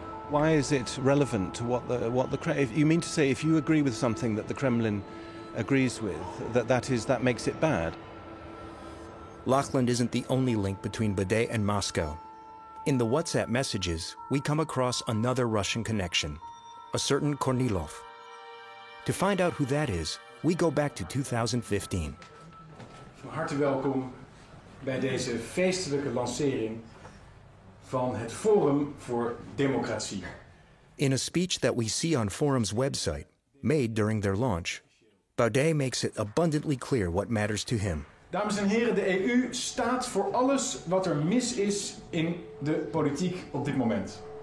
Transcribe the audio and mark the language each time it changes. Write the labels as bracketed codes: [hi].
[en] Why is it relevant to what the Kremlin? You mean to say if you agree with something that the Kremlin agrees with, that makes it bad? Lachlan isn't the only link between Baudet and Moscow. In the WhatsApp messages, we come across another Russian connection. A certain Kornilov. To find out who that is, we go back to 2015. [nl] Van harte welkom bij deze feestelijke lancering van het Forum voor Democratie. [en] In a speech that we see on Forum's website, made during their launch, Baudet makes it abundantly clear what matters to him. [nl] Dames en heren, de EU staat voor alles wat er mis is in de politiek op dit moment.